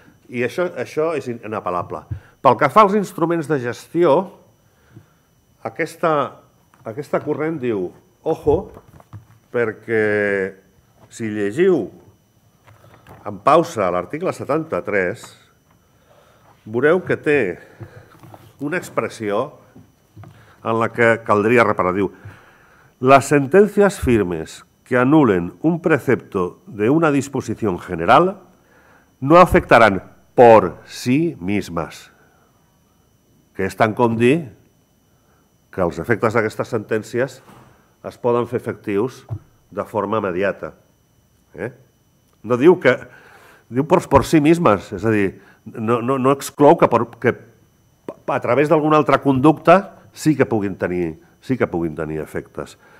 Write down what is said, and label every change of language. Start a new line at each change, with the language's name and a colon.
Catalan: I això és inapel·lable. Pel que fa als instruments de gestió, aquesta corrent diu, ojo, perquè si llegiu en pausa l'article 73, veureu que té una expressió en la que caldria reparar.
Spanish: Diu, las sentencias firmes que anulen un precepto de una disposición general no afectarán por sí mismas.
Catalan: Que és tant com dir que els efectes d'aquestes sentències es poden fer efectius de forma immediata. No diu que... Diu per si mismes, és a dir, no exclou que a través d'alguna altra conducta sí que puguin tenir efectes.